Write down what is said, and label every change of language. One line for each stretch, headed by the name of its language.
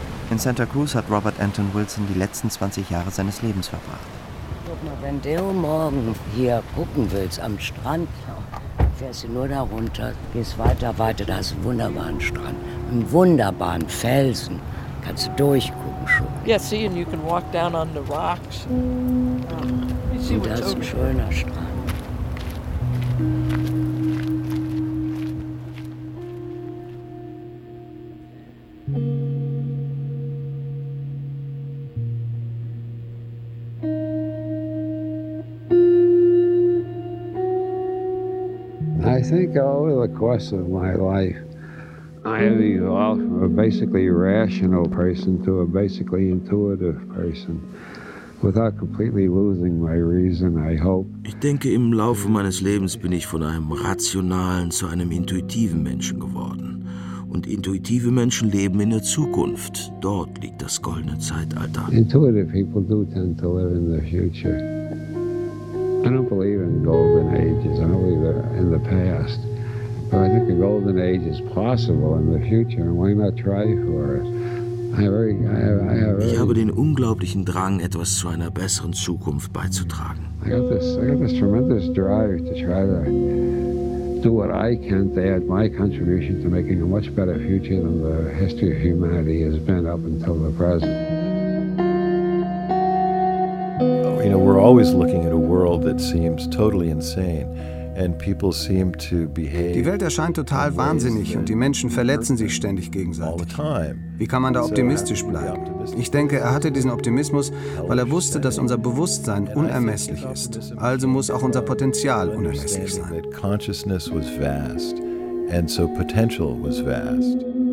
German: In Santa Cruz hat Robert Anton Wilson die letzten 20 Jahre seines Lebens verbracht. Guck mal, wenn du morgen hier gucken willst am Strand, fährst du nur da runter, gehst weiter, weiter, da ist ein wunderbarer Strand, ein wunderbarer Felsen, kannst du durchgucken schon.
English: Ja, yeah, see, and you can walk down on the rocks.
German: Yeah. Und das ist ein schöner Strand.
English: I think over the course of my life, I have evolved from a basically rational person to a basically intuitive person, without completely losing my reason, I hope.
German: Ich denke, im Laufe meines Lebens bin ich von einem rationalen zu einem intuitiven Menschen geworden. Und intuitive Menschen leben in der Zukunft. Dort liegt das goldene Zeitalter.
English: Intuitive people do tend to live in the future. I don't believe in golden ages. I don't believe in the past. But I think a golden age is possible in the future. And why not try for it?
German: Ich habe den unglaublichen Drang, etwas zu einer besseren Zukunft beizutragen.
English: I got this tremendous drive to try to do what I can to add my contribution to making a much better future than the history of humanity has been up until the present. You know, we're always looking at a world that seems totally insane, and people seem to behave.
German: Die Welt erscheint total wahnsinnig und die Menschen verletzen sich ständig gegenseitig. Wie kann man da optimistisch bleiben? Ich denke, er hatte diesen Optimismus, weil er wusste, dass unser Bewusstsein unermesslich ist. Also muss auch unser Potenzial unermesslich sein.
English: Consciousness was vast, and so potential was vast.